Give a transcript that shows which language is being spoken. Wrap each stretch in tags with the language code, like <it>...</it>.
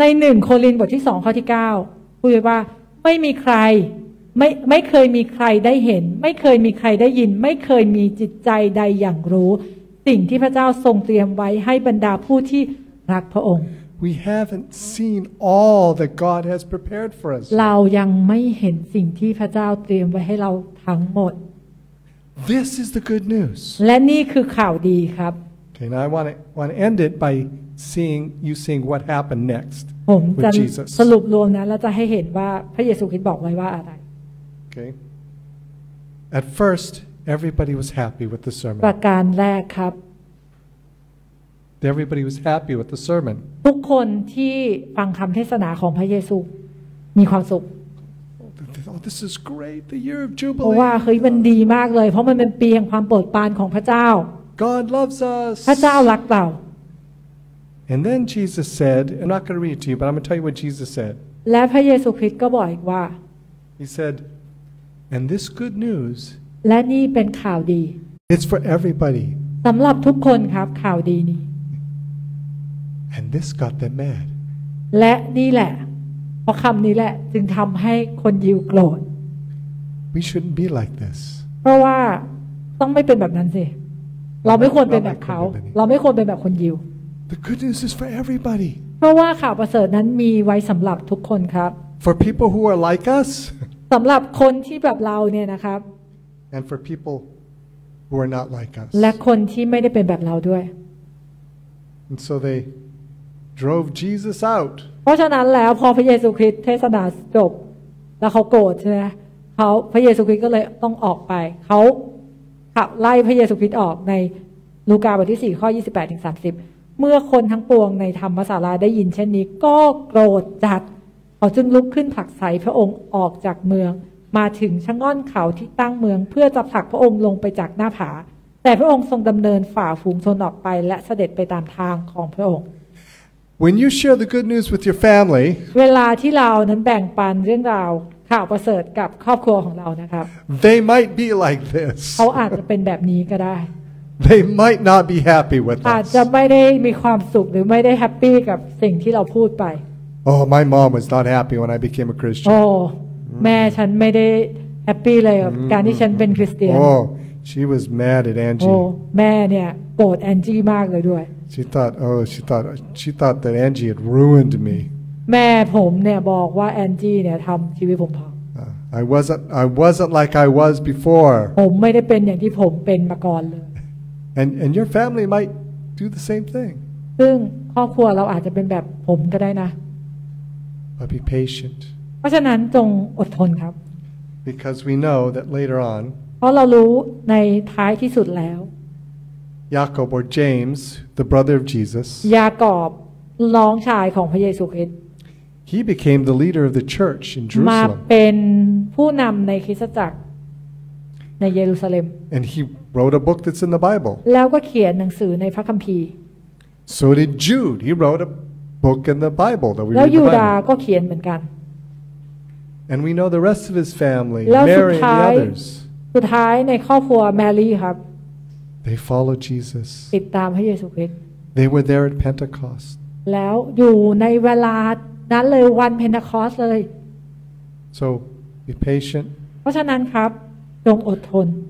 <th>ใน1โครินธ์บทที่2ข้อที่9พูดว่าไม่มีใครไม่เคยมีใครได้เห็นไม่เคยมีใครได้ยินไม่เคยมีจิตใจใดอย่างรู้สิ่งที่พระเจ้าทรงเตรียมไว้ให้บรรดาผู้ที่รักพระองค์</th> <en>We haven't seen all that God has prepared for us.</en> <th>เรายังไม่เห็นสิ่งที่พระเจ้าเตรียมไว้ให้เราทั้งหมด</th> <en>This is the good news.</en> <th>และนี่คือข่าวดีครับ</th> <en>Okay, now I want to end it by seeing you seeing what happened next with Jesus.</en> <th>ผมจะสรุปรวมนะแล้วจะให้เห็นว่าพระเยซูคริสต์บอกไว้ว่าอะไร</th> <en>Okay. At firstEverybody was happy with the sermon.</en> <th>ประการแรกครับ</th> <en>Everybody was happy with the sermon.</en> <th>ทุกคนที่ฟังคำเทศนาของพระเยซูมีความสุข</th> <en>Oh, this is great. The year of jubilee.</en> <th>เพราะว่าเฮ้ยมันดีมากเลยเพราะมันเป็นปีแห่งความโปรดปรานของพระเจ้า</th> <en>God loves us.</en> <th>พระเจ้ารักเรา</th> <en>And then Jesus said, I'm not going to read it to you, but I'm going to tell you what Jesus said.</en> <th>และพระเยซูคริสต์ก็บอกอีกว่า</th> <en>He said, and this good news.</en> <th>และนี่เป็นข่าวดี</th> <en>It's for everybody</en> <th>สำหรับทุกคนครับข่าวดีนี้</th> <en>And this got them mad</en> <th>และนี่แหละเพราะคำนี้แหละจึงทำให้คนยิวโกรธ</th> <en>We shouldn't be like this</en> <th>เพราะว่าต้องไม่เป็นแบบนั้นสิเราไม่ควรเป็นแบบเขาเราไม่ควรเป็นแบบคนยิว</th> <en>The good news is for everybody</en> <th>เพราะว่าข่าวประเสริฐนั้นมีไว้สำหรับทุกคนครับ</th> <en>For people who are like us</en> <th>สำหรับคนที่แบบเราเนี่ยนะครับ</th> <en>And for people who are not like us.</en> <th>และคนที่ไม่ได้เป็นแบบเราด้วย</th> <en>And so they drove Jesus out.</en> <th>เพราะฉะนั้นแล้วพอพระเยซูคริสต์เทศนาจบแล้วเขาโกรธใช่ไหมเขาพระเยซูคริสต์ก็เลยต้องออกไปเขาขับไล่พระเยซูคริสต์ออกในลูกาบทที่4ข้อ28ถึง30เมื่อคนทั้งปวงในธรรมศาลาได้ยินเช่นนี้ก็โกรธจัดเขาจึงลุกขึ้นผลักไสพระองค์ออกจากเมืองมาถึงชะง่อนเขาที่ตั้งเมืองเพื่อจะผลักพระองค์ลงไปจากหน้าผาแต่พระองค์ทรงดำเนินฝ่าฝูงชนออกไปและเสด็จไปตามทางของพระองค์</th> <en>When you share the good news with your family</en> <th>เวลาที่เรานั้นแบ่งปันเรื่องราวข่าวประเสริฐกับครอบครัวของเรานะครับ</th> <en>They might be like this</en> <th>เขาอาจจะเป็นแบบนี้ก็ได้</th> <en>They might not be happy with us</en> <th>อาจจะไม่ได้มีความสุขหรือไม่ได้แฮปปี้กับสิ่งที่เราพูดไป</th> <en>Oh my mom was not happy when I became a Christian</en> <th>แม่ฉันไม่ได้แฮปปี้เลยกับการที่ฉันเป็นคริสเตียน</th> <en>โอ้ she was mad at Angie</en> <th>โอ้แม่เนี่ยโกรธแองจี้มากเลยด้วย</th> <en>she thought oh she thought that Angie had ruined me</en> <th>แม่ผมเนี่ยบอกว่าแองจี้เนี่ยทำชีวิตผมพัง</th> <en>I wasn't like I was before</en> <th>ผมไม่ได้เป็นอย่างที่ผมเป็นมาก่อนเลย</th> <en>and your family might do the same thing</en> <th>ซึ่งครอบครัวเราอาจจะเป็นแบบผมก็ได้นะ</th> <en>but be patient</en> <th>เพราะฉะนั้นจงอดทนครับ</th> <en>Because we know that later on</en> <th>เพราะเรารู้ในท้ายที่สุดแล้ว</th> <en>Jacob or James the brother of Jesus</en> <th>ยากอบน้องชายของพระเยซูคริสต์</th> <en>He became the leader of the church in Jerusalem</en> <th>มาเป็นผู้นำในคริสตจักรในเยรูซาเล็ม</th> <en>And he wrote a book that's in the Bible</en> <th>แล้วก็เขียนหนังสือในพระคัมภีร์</th> <en>So did Jude he wrote a book in the Bible that we read</en> <th>แล้วยูดาก็เขียนเหมือนกัน</th> <en>And we know the rest of his family, Mary and the others.</en> <th>สุดท้ายในครอบครัวแมรี่ครับ</th> <en>They followed Jesus.</en> <th>ติดตามพระเยซูคริสต์</th> <en>They were there at Pentecost.</en> <th>แล้วอยู่ในเวลา นั้นเลยวันเพนทาคอสเลย</th> <en>So be patient</en> <th>เพราะฉะนั้นครับจงอดทน</th>